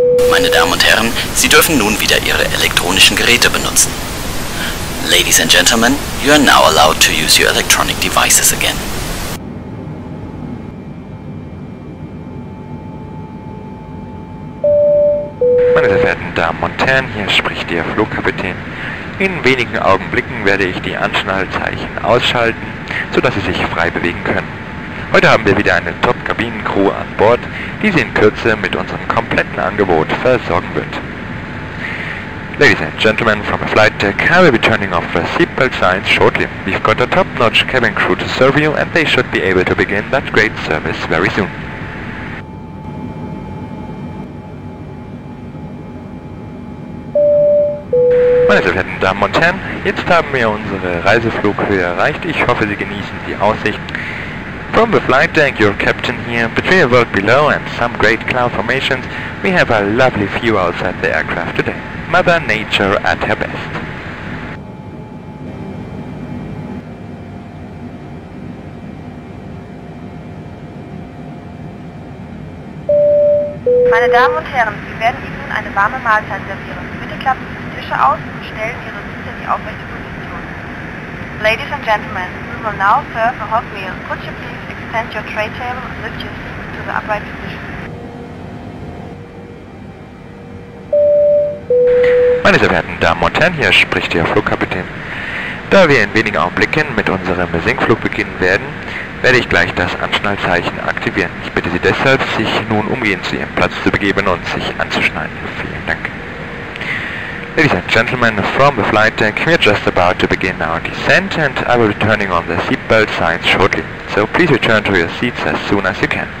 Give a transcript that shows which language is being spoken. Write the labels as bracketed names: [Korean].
[German] Meine Damen und Herren, Sie dürfen nun wieder Ihre elektronischen Geräte benutzen. [English] Ladies and Gentlemen, you are now allowed to use your electronic devices again. [German] Meine sehr verehrten Damen und Herren, hier spricht Ihr Flugkapitän. In wenigen Augenblicken werde ich die Anschnallzeichen ausschalten, sodass Sie sich frei bewegen können. Heute haben wir wieder eine Top-Kabinencrew an Bord, die Sie in Kürze mit unserem kompletten Angebot versorgen wird. [English] Ladies and Gentlemen, from the flight deck, I will be turning off the seatbelt signs shortly. We've got a top-notch cabin crew to serve you and they should be able to begin that great service very soon. [German] Meine sehr verehrten Damen und Herren, jetzt haben wir unsere Reiseflughöhe erreicht. Ich hoffe, Sie genießen die Aussicht. [English] From the flight deck, your captain here, between the world below and some great cloud formations, we have a lovely view outside the aircraft today. Mother Nature at her best. [German] Meine Damen und Herren, wir werden Ihnen eine warme Mahlzeit servieren. Bitte klappen Sie die Tische aus und stellen Ihre Sitze in die aufrechte Position. [English] Ladies and Gentlemen, we will now serve a hot meal. Could you please extend your tray table and lift your seat to the upright position? [German] Meine sehr verehrten Damen und Herren, hier spricht Ihr Flugkapitän. Da wir in wenigen Augenblicken mit unserem Sinkflug beginnen werden, werde ich gleich das Anschnallzeichen aktivieren. Ich bitte Sie deshalb, sich nun umgehend zu Ihrem Platz zu begeben und sich anzuschnallen. Vielen Dank. [English] Ladies and Gentlemen, from the flight deck, we are just about to begin our descent and I will be turning on the seatbelt signs shortly. So please return to your seats as soon as you can.